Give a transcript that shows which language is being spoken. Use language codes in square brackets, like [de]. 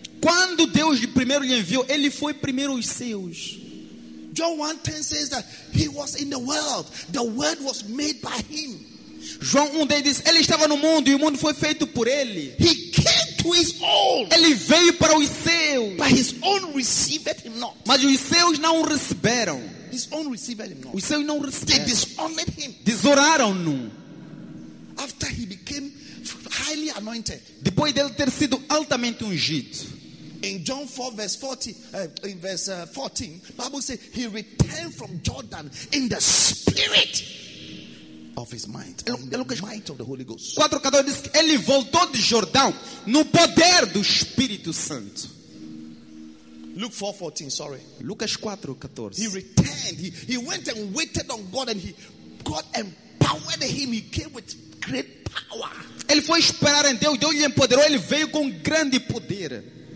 [pt] Quando Deus primeiro lhe enviou, ele foi primeiro aos seus. [en] John 1:10 says that he was in the world. The word was made by him. [pt] João 1 diz, ele estava no mundo e o mundo foi feito por ele. [en] He came to his own. [pt] Ele veio para os seus. [en] But his own received him not. [pt] Mas os seus não o receberam. [en] His own received him not. [pt] Os seus não o receberam. [en] They dishonored him. [pt] Desonraram-no. [en] After he became highly anointed. [pt] Depois dele ter sido altamente ungido. [en] In John 4 verse 40, in verse 14, Bible says he returned from Jordan in the spirit of his mind. Might of the Holy Ghost. [pt] 4:14 diz que ele voltou de Jordão no poder do Espírito Santo. Lucas 4:14. [en] He returned. He went and waited on God and God empowered him. He came with great power. [pt] Ele foi esperar em Deus, Deus lhe empoderou, ele veio com grande poder.